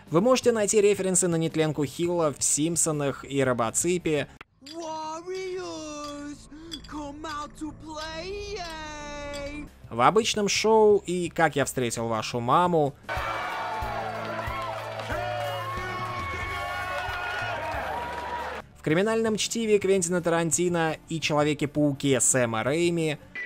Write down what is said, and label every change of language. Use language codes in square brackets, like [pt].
[ru] Вы можете найти референсы на нетленку Хилла в «Симпсонах» и «Робоципе». [en] Warriors, come out to play. [ru] В обычном шоу и «Как я встретил вашу маму». В криминальном чтиве Квентина Тарантино и «Человеке-пауке» Сэма Рэйми.